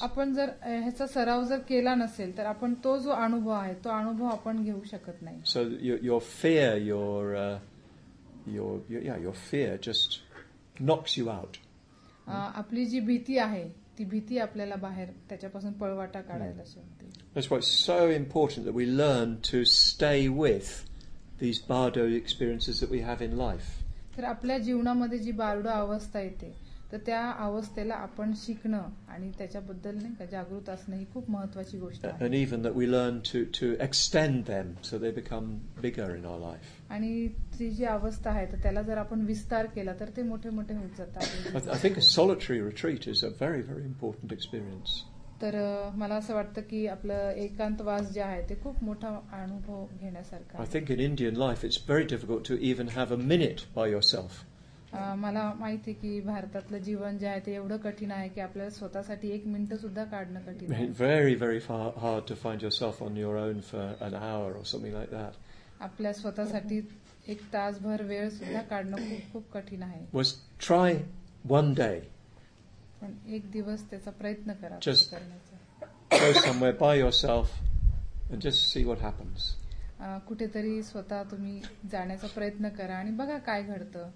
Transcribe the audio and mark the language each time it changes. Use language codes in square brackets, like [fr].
[mr] आपण जर ह्याचा सराव जर केला नसेल तर आपण तो जो अनुभव आहे तो अनुभव आपण घेऊ शकत नाही. [en] So your fear your fear just knocks you out. [mr] आपली जी भीती आहे ती भीती आपल्याला बाहेर त्याच्यापासून पळवाटा काढायला सांगते. [en] That's why it's so important that we learn to stay with these bardo experiences that we have in life. [mr] तर आपल्या जीवनामध्ये जी बारडो अवस्था येते तर त्या अवस्थेला आपण शिकणं आणि त्याच्याबद्दल नाही का जागृत असणं ही खूप महत्वाची गोष्ट आहे. [en] And even that we learn to extend them so they become bigger in our life. [mr] आणि ती जी अवस्था आहे तर त्याला जर आपण विस्तार केला तर ते मोठे मोठे होत जातात. [en] I think a solitary retreat is a very very important experience. [mr] तर मला असं वाटतं की आपलं एकांतवास जे आहे ते खूप मोठा अनुभव घेण्यासारखा आहे. [en] I think in Indian life it's very difficult to even have a minute by yourself. [mr] मला माहित आहे की भारतातलं जीवन जे आहे ते एवढं कठीण आहे की आपल्याला स्वतःसाठी एक मिनिट सुद्धा काढणं कठीण. [en] Very very hard to find yourself on your own for an hour or something like that. [mr] आपल्या स्वतःसाठी एक तासभर वेळ सुद्धा काढणं खूप खूप कठीण आहे. [en] was try one day, [mr] पण एक दिवस त्याचा प्रयत्न करा. [en] Just go somewhere by yourself and just see what happens. [mr] कुठेतरी स्वतः तुम्ही जाण्याचा प्रयत्न करा आणि बघा काय घडतं.